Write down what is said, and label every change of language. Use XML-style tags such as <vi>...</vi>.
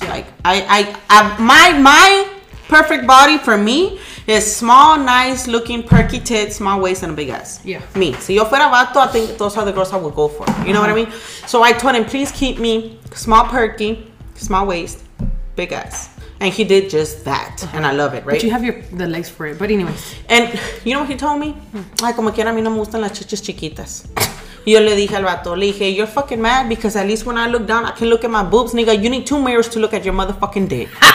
<en>Yeah. Like, my perfect body for me is small, nice looking, perky tits, small waist, and a big ass. Yeah. Me.</en> <es>Si yo fuera vato,</es> <en>I think those are the girls I would go for. You know what I mean? So I told him, please keep me small, perky, small waist, big ass. And he did just that. Uh-huh. And I love it, right? But you have the legs for it. But anyways. And you know what he told me?</en> <es>Ay, como quiera, a mí no me gustan las chichas chiquitas. Yo le dije al vato, le dije,</es> <en>you're fucking mad because at least when I look down, I can look at my boobs, nigga. You need two mirrors to look at your motherfucking dick.</en>